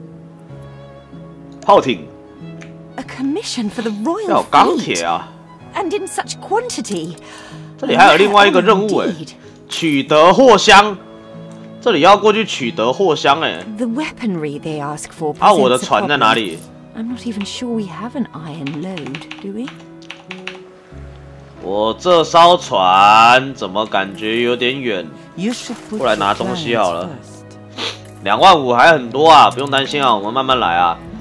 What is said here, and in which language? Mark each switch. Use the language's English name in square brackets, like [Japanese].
[Chinese] 来看一下我上次玩到哪里啊？哦，上一次国家很喜欢我这个城市，给了我25,000块，我现在起飞了，赶快做事。双轨帆船炮艇护卫舰，炮艇。 [English] Commission for the royal fleet, and in such quantity. [Chinese] 这里还有另外一个任务哎，取得货箱。这里要过去取得货箱哎。 [English] The weaponry they ask for. [Chinese] 啊，我的船在哪里 [English] ？I'm not even sure we have an iron load, do we? [Chinese] 我这艘船怎么感觉有点远？过来拿东西好了。25,000还很多啊，不用担心啊，我们慢慢来啊。